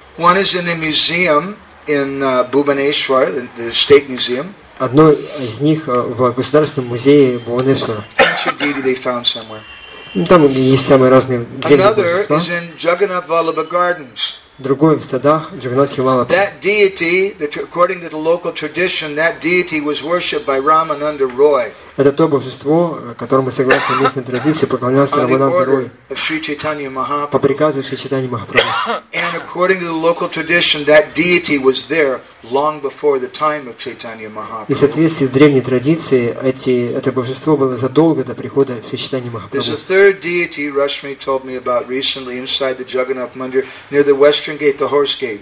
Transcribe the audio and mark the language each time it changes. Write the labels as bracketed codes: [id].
[en] One is in a museum. In Bhubaneswar, the state museum. [ru] Одно из них в государственном музее Бхубанешвара. [en] Ancient deity they found somewhere. [ru] Там есть самые разные деньги. [en] Another is in Jagannath Vallabha Gardens. [ru] Другой в садах Джагнатхи Валлабха. [en] That deity, according to the local tradition, that deity was worshipped by Ramananda Roy. [ru] Это то божество, которому согласно местной традиции поклонялся Рамананда Рой. По приказу Шри Чайтаньи Махапрабху. [en] And according to the local tradition, that deity was there long before the time of Chaitanya Mahaprabhu. [ru] И в соответствии с древней традицией, это божество было задолго до прихода Шри Чайтаньи Махапрабху. [en] There's a third deity Rashmi told me about recently inside the Jagannath Mandir near the western gate, the horse gate.